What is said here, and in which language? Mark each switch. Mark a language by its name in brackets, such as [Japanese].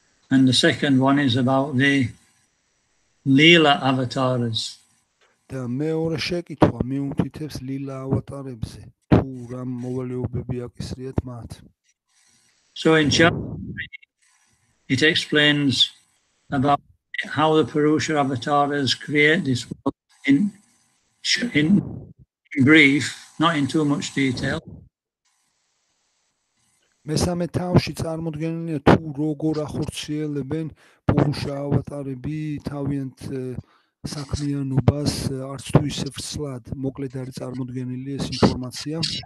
[English] And the second one is about the Leela avatars. [Georgian] და მეორე შეკითხვა მიუთითებს ლილა ავატარებზე თუ რა მოვალეობები აკისრიათ მათ. [English] So in chapter it explains about how the Purusha avatars create this world in brief not in too much detail [Georgian] მესამე თავში წარმოდგენილია თუ როგორ ახორციელებენ პურუშა ავატარები თავიანთ საქმიანობას არც თუ ისე ვრცლად მოკლედ არის წარმოდგენილი ეს ინფორმაცია